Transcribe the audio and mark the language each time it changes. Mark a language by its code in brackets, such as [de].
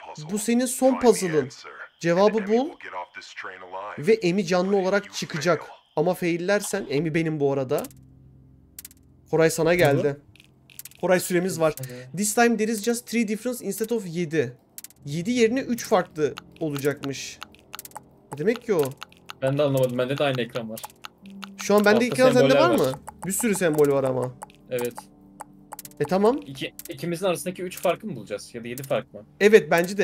[tr] Bu senin son puzzle'ın. Cevabı bul ve Amy canlı olarak çıkacak. Ama faillersen Amy benim bu arada. Koray sana geldi. Koray süremiz var. [en] This time there is just 3 difference instead of 7. [tr] 7 yerine 3 farklı olacakmış. Ne demek ki o? Ben de anlamadım. Bende de aynı ekran var. Şu an bende ekran sende var mı? Bir sürü sembol var ama. Evet. E tamam. İkimizin arasındaki 3 farkı mı bulacağız? Ya da 7 fark mı? Evet bence de.